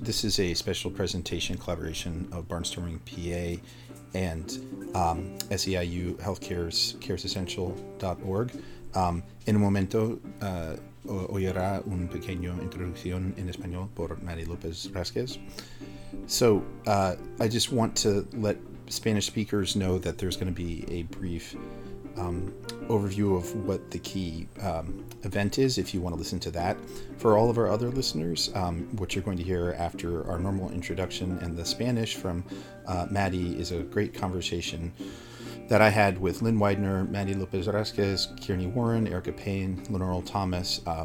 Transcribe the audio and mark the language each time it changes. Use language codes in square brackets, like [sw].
[en] This is a special presentation collaboration of Barnstorming PA and SEIU Healthcare's CaresEssential.org. [es] En un momento, oirá un pequeño introducción en español por Mari López Rasquez. [en] So, I just want to let Spanish speakers know that there's going to be a brief overview of what the key event is, if you want to listen to that. For all of our other listeners, what you're going to hear after our normal introduction and the Spanish from Maddie is a great conversation that I had with Lynn Widener, Maddie López-Rasquez, Kearney Warren, Erica Payne, Lenoral Thomas.